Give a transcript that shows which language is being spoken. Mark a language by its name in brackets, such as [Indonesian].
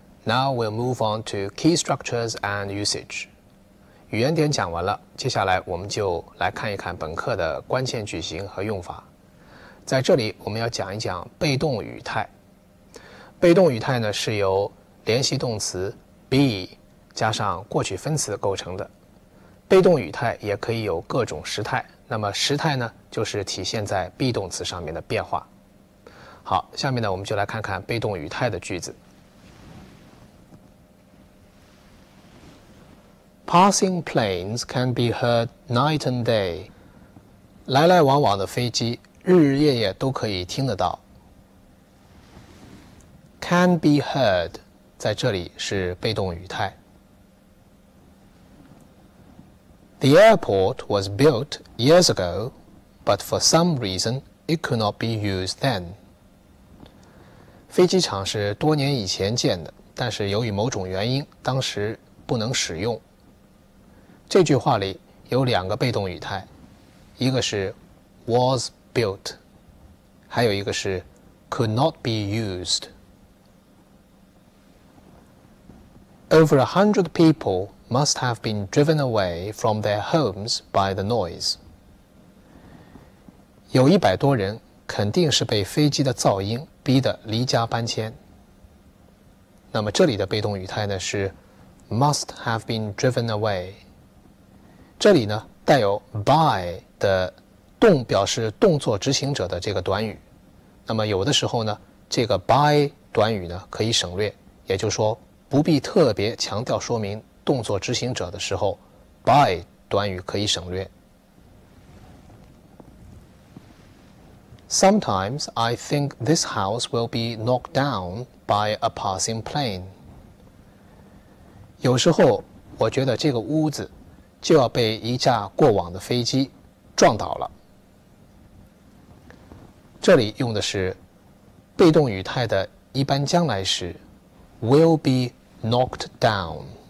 [English] Now we'll move on to key structures and usage. [Chinese] 语言点讲完了，接下来我们就来看一看本课的关键句型和用法。在这里我们要讲一讲被动语态。被动语态呢是由联系动词 be 加上过去分词构成的。被动语态也可以有各种时态，那么时态呢就是体现在 be 动词上面的变化。好，下面呢我们就来看看被动语态的句子。 [English] Passing planes can be heard night and day. [Chinese] 来来往往的飞机日日夜夜都可以听得到。 [English] Can be heard [Chinese] 在这里是被动语态。 [English] The airport was built years ago, but for some reason it could not be used then. [Chinese] 飞机场是多年以前建的，但是由于某种原因，当时不能使用。这句话里有两个被动语态，一个是 [English] was built， [Chinese] 还有一个是 [English] could not be used。 Over 100 people must have been driven away from their homes by the noise。 [Chinese] 有100多人肯定是被飞机的噪音逼得离家搬迁。那么这里的被动语态呢是 [English] must have been driven away。 [Chinese] 这里呢带有 by 的动表示动作执行者的这个短语，那么有的时候呢这个 by 短语呢可以省略，也就是说不必特别强调说明动作执行者的时候 by 短语可以省略。 [English] Sometimes I think this house will be knocked down by a passing plane. [Chinese] 有时候我觉得这个屋子就要被一架过往的飞机撞倒了。这里用的是被动语态的一般将来时 [English] will be knocked down。